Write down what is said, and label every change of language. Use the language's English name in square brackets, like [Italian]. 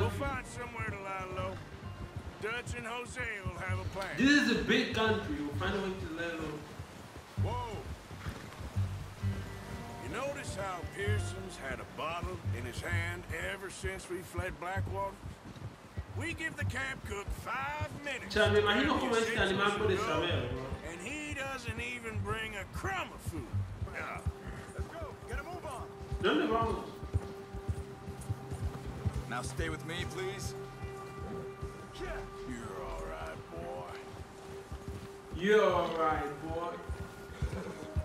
[English] We'll find somewhere to lie low. Dutch and Jose will have a plan. This is a big country. We'll find a way to lie low. Whoa. You notice how Pearson's had a bottle in his hand ever since we fled Blackwater? We give the camp cook 5 minutes. [Spanish] O sea, me imagino cómo este animal puede saber, bro. [English] And he doesn't even bring a crumb of food. Yeah. Let's go. Get a move on. [Spanish] ¿Dónde vamos? [English] Now stay with me, please. Yeah. You're all right, boy. You're all right, boy.